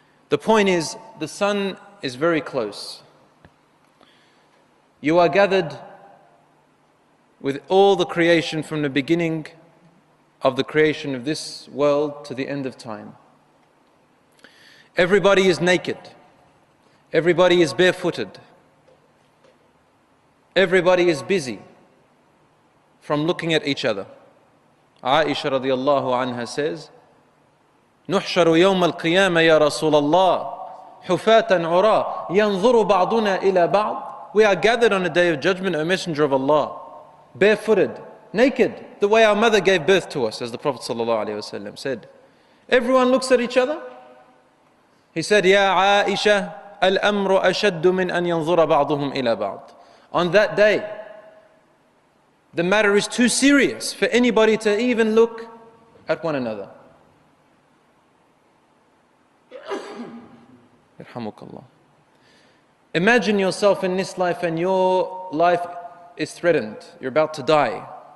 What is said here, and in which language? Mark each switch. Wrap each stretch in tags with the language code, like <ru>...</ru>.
<en>The point is, the sun is very close. You are gathered with all the creation from the beginning of the creation of this world to the end of time. Everybody is naked. Everybody is barefooted. Everybody is busy from looking at each other. Aisha radiallahu anha says,</en> <ar>نُحْشَرُ يَوْمَ الْقِيَامَةِ يَا رَسُولَ اللَّهِ حُفَاتًا عُرَىٰ يَنْظُرُ بَعْضُنَا إِلَىٰ بَعْضٍ.</ar> <en>We are gathered on the Day of Judgment, O Messenger of Allah, barefooted, naked, the way our mother gave birth to us, as the Prophet sallallahu alayhi wasallam said. Everyone looks at each other. He said,</en> <ar>يَا عَائِشَ الْأَمْرُ أَشَدُّ مِنْ أَنْ يَنْظُرَ بَعْضُهُمْ إِلَىٰ بَعْضٍ.</ar> <en>On that day, the matter is too serious for anybody to even look at one another. Imagine yourself in this life and your life is threatened. You're about to die.</en>